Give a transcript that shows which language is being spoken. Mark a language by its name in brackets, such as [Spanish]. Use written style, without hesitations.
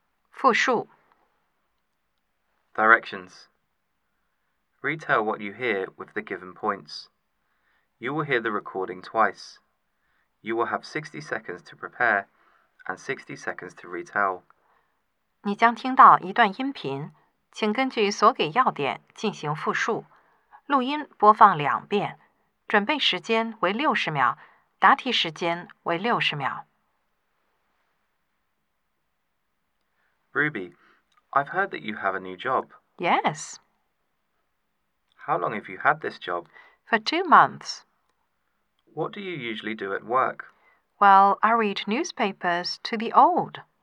[Chinese] 复述. [English] Directions. Retail what you hear with the given points. You will hear the recording twice. You will have 60 seconds to prepare and 60 seconds to retell. [Chinese] 你将听到一段音频，请根据所给要点进行复述。录音播放两遍，准备时间为60秒，答题时间为60秒。 [English] Ruby, I've heard that you have a new job. Yes. How long have you had this job? For 2 months. What do you usually do at work? Well, I read newspapers to the old.